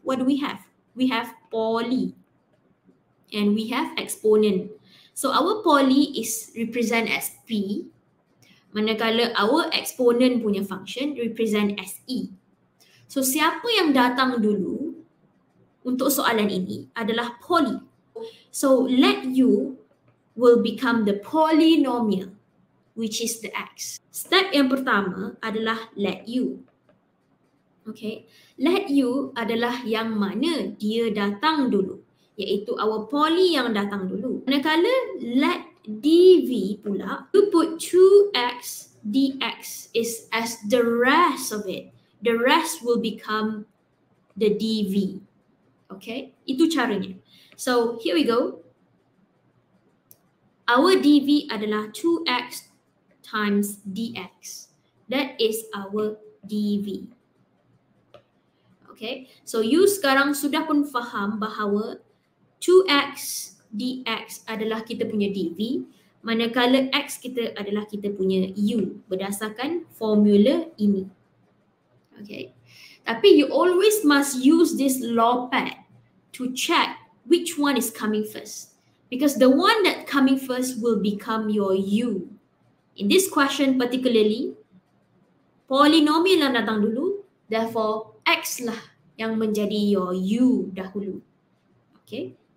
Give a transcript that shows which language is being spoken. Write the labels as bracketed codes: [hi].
[en] What do we have? We have poly. And we have exponent. So our poly is represent as P. Manakala our exponent punya function represent as E. [ms] So siapa yang datang dulu untuk soalan ini adalah poly. [en] So let U will become the polynomial, which is the X. [ms] Step yang pertama adalah let U. Okay. Let U adalah yang mana dia datang dulu, iaitu our poly yang datang dulu. [en] Manakala let dv pula, you put 2x dx is as the rest of it. The rest will become the dv. Okay? [ms] Itu caranya. [en] So, here we go. Our dv adalah 2x times dx. That is our dv. Okay? [ms] So, you sekarang sudah pun faham bahawa 2x dx adalah kita punya dv, manakala x kita adalah kita punya u berdasarkan formula ini. [en] Okay. Tapi you always must use this law pad to check which one is coming first. Because the one that coming first will become your u. In this question particularly, polynomial [ms] yang datang dulu, [en] therefore x [ms] lah yang menjadi [en] your u [ms] dahulu. [en] Okay.